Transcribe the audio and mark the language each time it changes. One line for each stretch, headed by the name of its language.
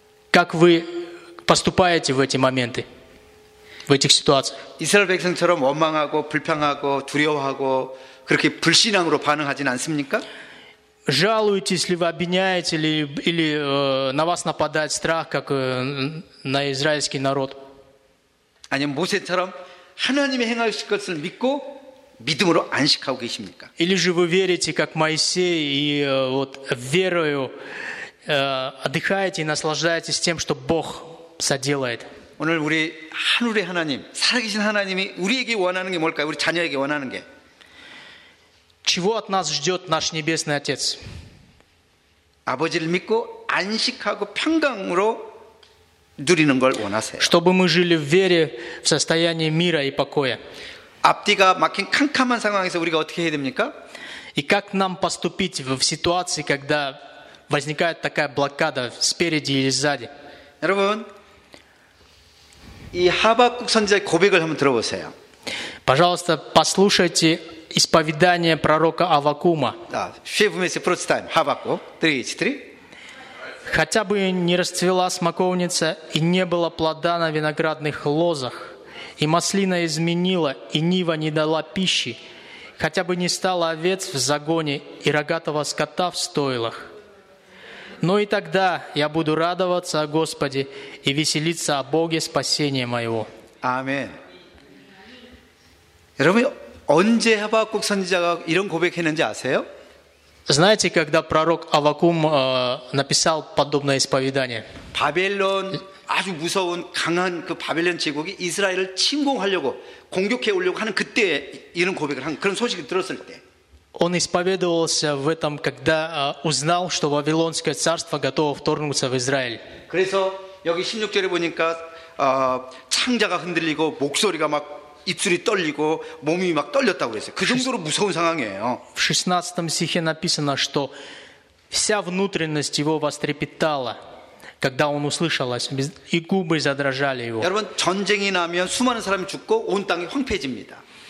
Russian: Как вы поступаете в эти моменты, в этих ситуациях?
Korean: 이스라엘 백성처럼 원망하고 불평하고 두려워하고 그렇게 불신앙으로 반응하진 않습니까?
Russian: Жалуетесь ли вы, обвиняете ли, или на вас нападает страх, как на израильский народ?
Korean: 아니면 모세처럼 하나님이 행하실 것을 믿고 믿음으로 안식하고 계십니까?
Russian: Или же вы верите, как Моисей, и вот верою отдыхаете и наслаждаетесь тем, что Бог соделает?
Korean: 오늘 우리 하늘의 하나님, 살아계신 하나님이 우리에게 원하는 게 뭘까요? 우리 자녀에게 원하는 게?
Russian: Чего от нас ждет наш небесный Отец?
Korean: 아버지를 믿고 안식하고 평강으로 누리는 걸 원하세요.
Russian: Чтобы мы жили в вере, в состоянии мира и покоя.
Korean: 앞뒤가 막힌 캄캄한 상황에서 우리가 어떻게 해야 됩니까?
Russian: И как нам поступить в ситуации, когда возникает такая блокада спереди или сзади?
Korean: 여러분, 이 하박국 선지자의 고백을 한번 들어보세요.
Russian: Пожалуйста, послушайте исповедание пророка Аввакума. 자, все вместе прочитаем. Хабакук, 3, 4. Хотя бы не расцвела смоковница и не было плода на виноградных лозах, и маслина изменила, и нива не дала пищи, хотя бы не стало овец в загоне и рогатого скота в стойлах. Но и тогда я буду радоваться о Господе и веселиться о Боге спасения моего. Аминь. Знаете, когда пророк Аввакум написал подобное исповедание? Бабилон.
Korean: 아주 무서운 강한 그 바벨론 제국이 이스라엘을 침공하려고 공격해 오려고 하는 그때 이런 고백을 한 그런 소식을 들었을 때.
Russian: Он исповедовался в этом, когда узнал, что вавилонское царство готово вторгнуться в Израиль.
Korean: 그래서 여기 16절에 보니까 창자가 흔들리고 목소리가 막 입술이 떨리고 몸이 막 떨렸다고 그랬어요. 그 정도로 무서운 상황이에요.
Russian: В 16 стихе написано, что вся внутренность его вострепетала, когда он услышал о себе, и губы задрожали его.
Korean: 여러분, 전쟁이 나면 수많은 사람이 죽고 온 땅이 황폐해집니다.